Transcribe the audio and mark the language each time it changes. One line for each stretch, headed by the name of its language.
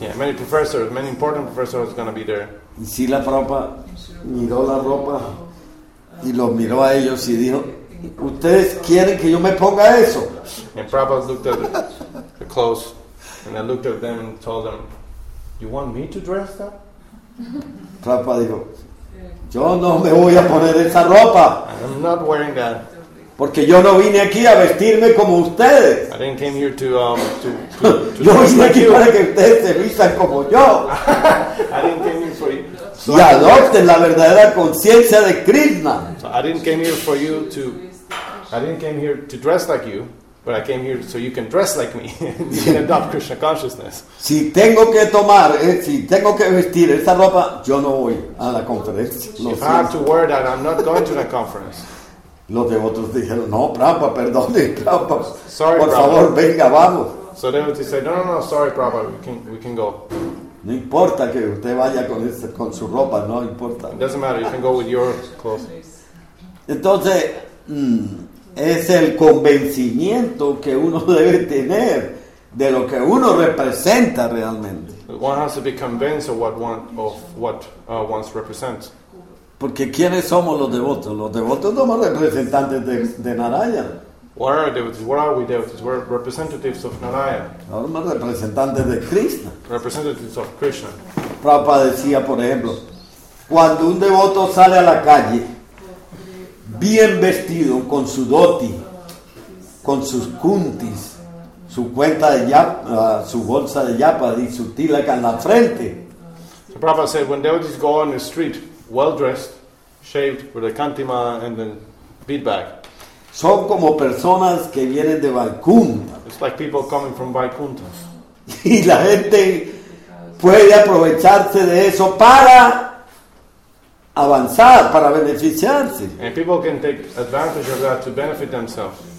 English: Yeah, many important professors are going to be there.
Spanish: Y si la ropa, miró la ropa y los miró a ellos y dijo. ¿Ustedes quieren que yo me ponga eso?
English: And Prabhupada looked at the clothes and I looked at them and told them, you want me to dress up?
Spanish: Prabhupada dijo, yo no me voy a poner esa ropa.
English: I'm not wearing that.
Spanish: Porque yo no vine aquí a vestirme como ustedes.
English: I didn't came here to
Spanish: yo vine aquí para que ustedes se vistan como yo.
English: I didn't came here for you.
Spanish: Y adopten la verdadera conciencia de Krishna.
English: So I didn't came here for you to. I didn't came here to dress like you, but I came here so you can dress like me and adopt Krishna consciousness.
Spanish: Si tengo que tomar, si tengo que vestir esa ropa, yo no voy a la conferencia.
English: Lo if siento. I have to wear that, I'm not going to that conference.
Spanish: Los devotos dijeron, no, Prabhupada, perdone, Prabhupada.
English: Sorry,
Spanish: por Prabhupada. Favor, venga, vamos.
English: So the devotees said, no, sorry, Prabhupada, we can go.
Spanish: No importa que usted vaya con su ropa, no importa.
English: It doesn't matter, you can go with your clothes.
Spanish: Entonces, es el convencimiento que uno debe tener de lo que uno representa realmente.
English: One has to be convinced of what one represents.
Spanish: Porque ¿quiénes somos los devotos? Los devotos somos representantes de Narayana.
English: What are devotees? What are we devotees? We're representatives of Narayana.
Spanish: No, representantes de Krishna.
English: Representatives of Krishna.
Spanish: Prabhupada decía, por ejemplo, cuando un devoto sale a la calle bien vestido con su doti, con sus kuntis, su cuenta de yapa, su bolsa de yapa y su tilaka en la frente.
English: So Prabhupada said, when devotees go on the street, well dressed, shaved with a kantima and then bead bag.
Spanish: Son como personas que vienen de Vaikunta.
English: It's like people coming from Vaikunta.
Spanish: Y la gente puede aprovecharse de eso para avanzar, para beneficiarse.
English: And people can take advantage of that to benefit themselves.